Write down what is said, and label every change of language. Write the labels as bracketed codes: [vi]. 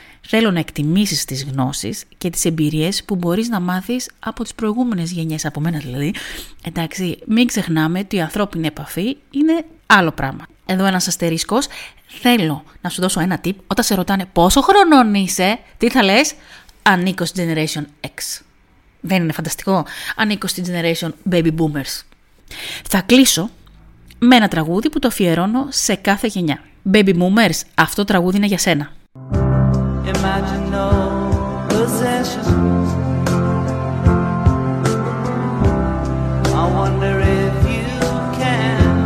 [el] Θέλω να εκτιμήσεις τις γνώσεις και τις εμπειρίες που μπορείς να μάθεις από τις προηγούμενες γενιές, από μένα δηλαδή. Εντάξει, μην ξεχνάμε ότι η ανθρώπινη επαφή είναι άλλο πράγμα. Εδώ ένας αστερίσκος, θέλω να σου δώσω ένα tip. Όταν σε ρωτάνε πόσο χρονών είσαι, τι θα λες? Ανήκω στην Generation X. Δεν είναι φανταστικό? Ανήκω στην Generation Baby Boomers. Θα κλείσω με ένα τραγούδι που το αφιερώνω σε κάθε γενιά. Baby Boomers, αυτό το τραγούδι είναι για σένα. [en] Imagine no possessions. I wonder if you can.